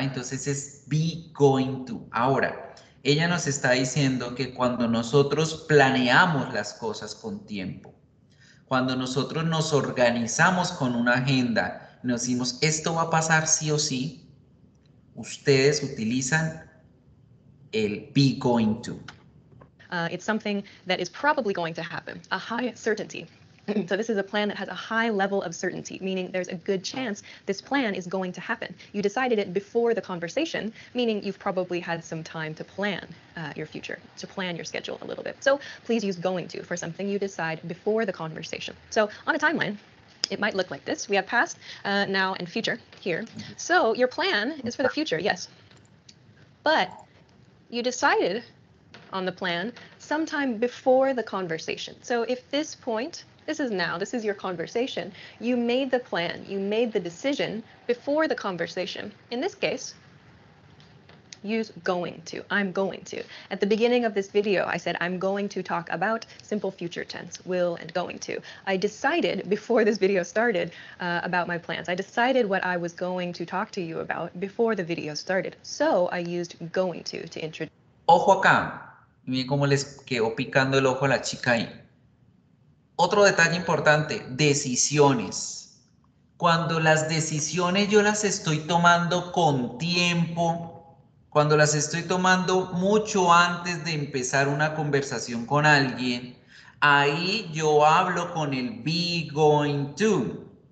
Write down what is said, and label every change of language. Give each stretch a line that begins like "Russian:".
Spanish: Entonces es be going to. Ahora, ella nos está diciendo que cuando nosotros planeamos las cosas con tiempo, cuando nosotros nos organizamos con una agenda, nos decimos esto va a pasar sí o sí, ustedes utilizan el be going to.
English: It's something that is probably going to happen, a high certainty. So this is a plan that has a high level of certainty, meaning there's a good chance this plan is going to happen. You decided it before the conversation, meaning you've probably had some time to plan your future, to plan your schedule a little bit. So please use going to for something you decide before the conversation. So on a timeline, it might look like this. We have past, now, and future here. So your plan is for the future, yes. But you decided on the plan sometime before the conversation. So if this point, this is now, this is your conversation, you made the plan, you made the decision before the conversation. In this case, use going to, I'm going to. At the beginning of this video, I said, I'm going to talk about simple future tense, will and going to. I decided before this video started about my plans. I decided what I was going to talk to you about before the video started. So I used going to introduce.
Spanish: Ojo acá, miren cómo les quedó picando el ojo a la chica ahí. Otro detalle importante, decisiones. Cuando las decisiones yo las estoy tomando con tiempo, cuando las estoy tomando mucho antes de empezar una conversación con alguien, ahí yo hablo con el be going to.